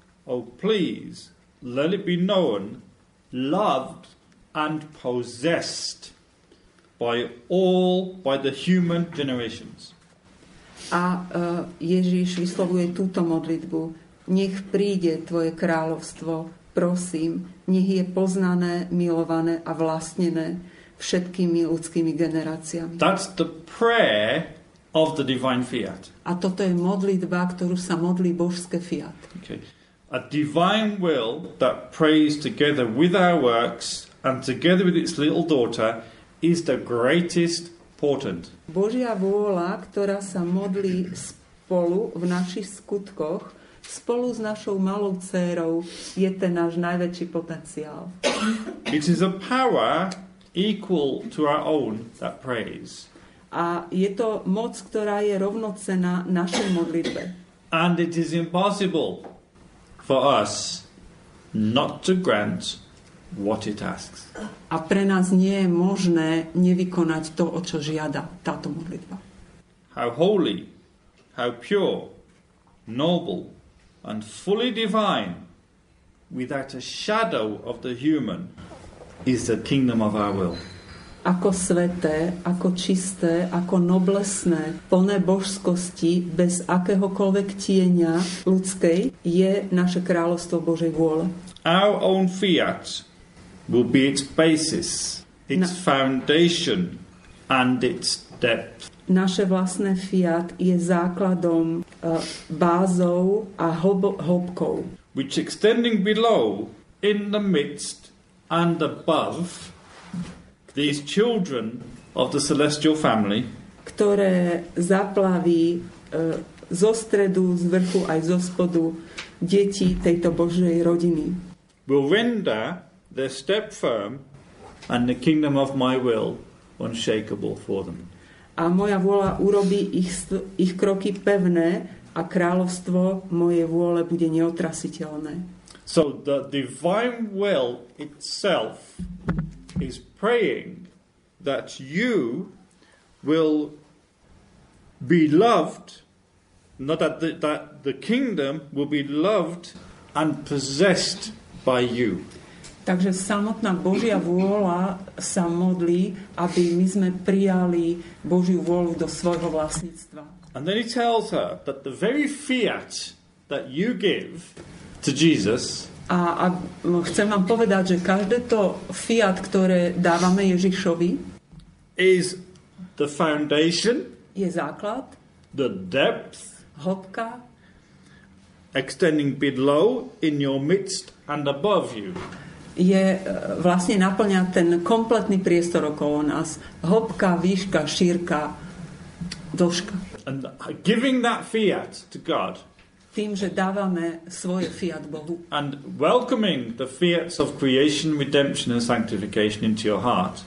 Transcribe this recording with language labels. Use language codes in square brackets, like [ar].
[en] Oh, please, let it be known, loved and possessed by all, by the human generations. [sk] A Ježiš vyslovuje túto modlitbu. Nech príde tvoje kráľovstvo, prosím, nech je poznané, milované a vlastnené všetkými ľudskými generáciami. [en] That's the prayer of the divine fiat. [sk] A toto je modlitba, ktorú sa modlí božské fiat. [en] Okay. A divine will that prays together with our works and together with its little daughter is the greatest portent. [sk] Božia vôľa, ktorá sa modlí spolu v našich skutkoch, spolu s našou malou dcérou, je ten náš najväčší potenciál. [en] It is a power equal to our own that prays. [sk] A je to moc, ktorá je rovnocená našej modlitbe. [en] And it is impossible for us not to grant what it asks. [sk] A pre nás nie je možné nevykonať to, o čo žiada táto modlitba. [en] How holy, how pure, noble and fully divine, without a shadow of the human, is the kingdom of our will. [sk] Ako sveté, ako čisté, ako noblesné, plné božskosti, bez akéhokoľvek tieňa ľudskej, je naše kráľovstvo Božej vôle. [en] Our own fiat will be its basis, its foundation and its depth. [sk] Naše vlastné fiat je základom, bázou a hĺbkou. [en] Which extending below, in the midst and above, these children of the celestial family, [sk] ktoré zaplaví zo stredu, z vrchu aj zo spodu deti tejto Božej rodiny. [en] Will render their step firm and the kingdom of my will unshakable for them. [sk] A moja vôľa urobí ich kroky pevné a kráľovstvo mojej vôle bude neotrasiteľné. [en] So the divine will itself is praying that you will be loved, not that the kingdom will be loved and possessed by you. [sk] Takže samotná Božia vôľa sa modlí, aby my sme prijali Božiu vôľu do svojho vlastníctva. [en] And then he tells her that the very fiat that you give to Jesus. [sk] A chcem vám povedať, že každé to fiat, ktoré dávame Ježišovi, [en] is the foundation, [sk] je základ, [en] the depth, [sk] hĺbka, [en] extending below, in your midst and above you. [sk] Je vlastne naplňa ten kompletný priestor okolo nás. Hĺbka, výška, šírka, dĺžka. [en] And giving that fiat to God. [sk] Tým, že dávame svoje fiat Bohu. [en] And welcoming the fiats of creation, redemption and sanctification into your heart.